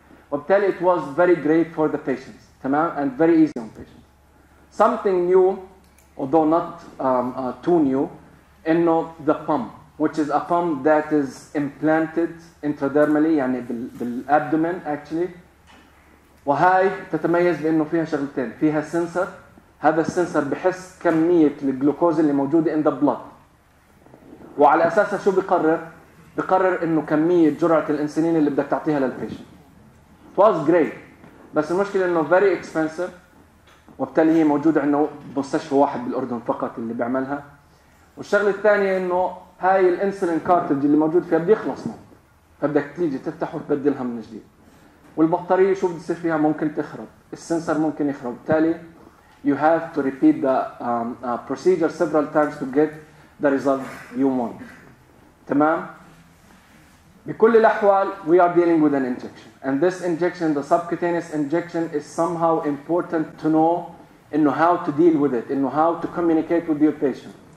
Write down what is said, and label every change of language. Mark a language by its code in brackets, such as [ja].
[en] وبالتالي it was very great for the patients, تمام, and very easy on patients. Something new, although not too new, إنه the pump, which is a pump that is implanted intradermally, [ar] يعني بالabdomen [en] actually. [ar] وهاي تتميز بأنه فيها شغلتين, فيها sensor, هذا السنسر بحس كمية الجلوكوز اللي موجودة [en] in the blood. [ar] وعلى أساسها شو بيقرر؟ بيقرر إنه كمية جرعة الإنسولين اللي بدك تعطيها للpatient. [en] It was great. [ar] بس المشكلة إنه [en] very expensive. [ar] وبالتالي هي موجودة عنده بمستشفى واحد بالأردن فقط اللي بيعملها. والشغلة الثانية إنه هاي الإنسولين كارتج اللي موجود فيها بيخلص منه. فبدك تيجي تفتح وتبدلها من جديد. والبطارية شو بتصير فيها؟ ممكن تخرب. السنسر ممكن يخرب. [en] وبالتالي you have to repeat the procedure several times to get the result you want. تمام؟ [ar] بكل الأحوال [en] we are dealing with an injection. And this injection, the subcutaneous injection, is somehow important to know إنه how to deal with it, إنه how to communicate with your patient.